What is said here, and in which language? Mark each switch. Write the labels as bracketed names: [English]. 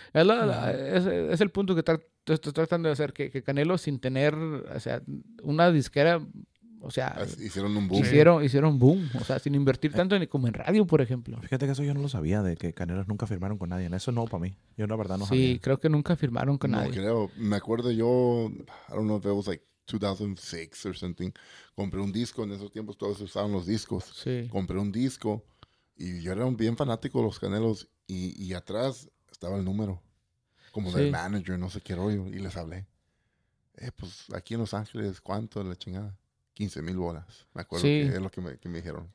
[Spanish] Es el punto que estoy tratando de hacer, que Canelo, sin tener, o sea, una disquera... O sea, hicieron un boom. Hicieron boom. O sea, sin invertir tanto como en radio, por ejemplo. Fíjate que eso yo no lo sabía, de que Canelos nunca firmaron con nadie. Eso no, para mí. Yo la verdad no sabía. Sí, creo que nunca firmaron con nadie. No creo. Me acuerdo yo, [English] I don't know if it was like 2006 or something. [Spanish] Compré un disco. En esos tiempos todos usaban los discos. Sí. Compré un disco y yo era un bien fanático de los Canelos. Y atrás estaba el número. Como del manager, no sé qué rollo. Y les hablé. Pues aquí en Los Ángeles, ¿cuánto la chingada? 15,000 bolas. Me acuerdo que es lo que me dijeron.